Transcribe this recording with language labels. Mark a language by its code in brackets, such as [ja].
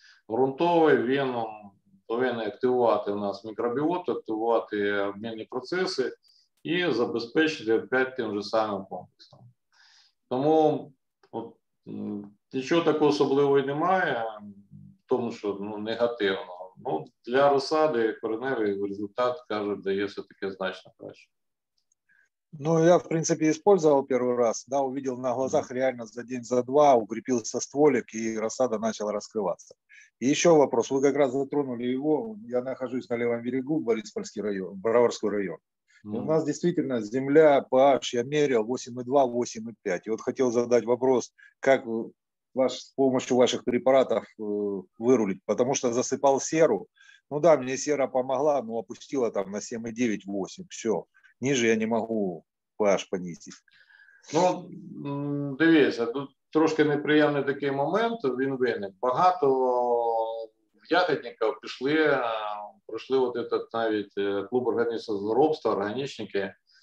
[uk] Грунтовий він повинен активувати у нас мікробіоти, активувати обмінні процеси і забезпечити опять тим же самим комплексом. Тому от, нічого такого особливого немає, тому що негативного. Ну, для розсади кореневий результат, каже, дає все-таки значно краще. [ru] Ну, я, в принципе, использовал первый раз, да, увидел на глазах реально за день, за два укрепился стволик, и рассада начала раскрываться. И еще вопрос, вы как раз затронули его, я нахожусь на левом берегу, Бориспольский район, Броварский район. И у нас действительно земля, pH, я мерил 8,2, 8,5. И вот хотел задать вопрос, как ваш, с помощью ваших препаратов вырулить, потому что засыпал серу, ну да, мне сера помогла, но опустила там на 7,9, 8, все. Ниже я не могу pH понизить. [uk] Ну, дивіться, тут трошки неприємний такий момент, він виник. Багато ягідників пішли, пройшли [ru] от этот, [uk] навіть клуб органічнозоробства, органічники.